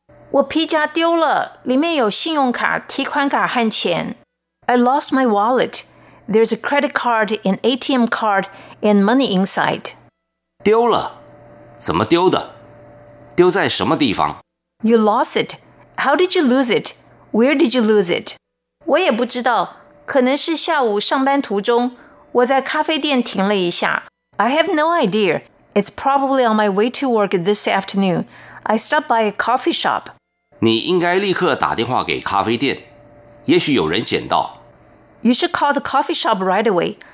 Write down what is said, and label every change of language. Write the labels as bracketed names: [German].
[Chinese] 我皮夹丢了，里面有信用卡、提款卡和钱。 [English] I lost my wallet. There's a credit card, an ATM card, and money inside. [Chinese] 丢了？怎么丢的？丢在什么地方？ [English] You lost it. How did you lose it? Where did you lose it? [Chinese] 我也不知道，可能是下午上班途中，我在咖啡店停了一下。 [English] I have no idea. It's probably on my way to work this afternoon. I stopped by a coffee shop. [Chinese] 你应该立刻打电话给咖啡店，也许有人捡到。 [English] You should call the coffee shop right away.